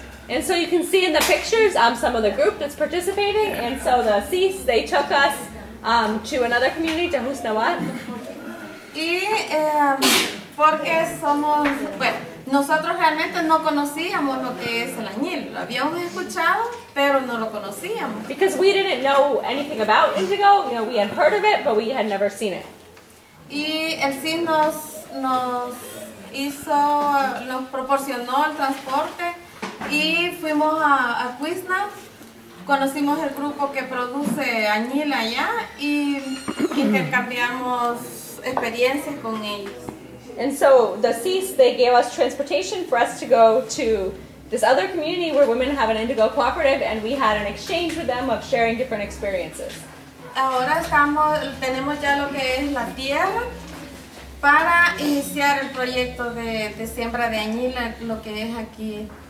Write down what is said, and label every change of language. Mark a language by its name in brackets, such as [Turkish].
[English] And so you can see in the pictures some of the group that's participating. And so the CIS, they took us to another community, to Husnawat. [Spanish] Y porque somos, bueno, nosotros realmente no conocíamos lo que es el añil. Lo habíamos escuchado, pero no lo conocíamos. [English] Because we didn't know anything about indigo. You know, we had heard of it, but we had never seen it. [Spanish] Y el CIS nos hizo, nos proporcionó el transporte. Y fuimos a Cuisna, conocimos el grupo que produce añil allá y intercambiamos experiencias con ellos. [English] And so the CIS, they gave us transportation for us to go to this other community where women have an indigo cooperative, and we had an exchange with them of sharing different experiences. [Spanish] Ahora tenemos ya lo que es la tierra para iniciar el proyecto de siembra de añil, lo que es aquí.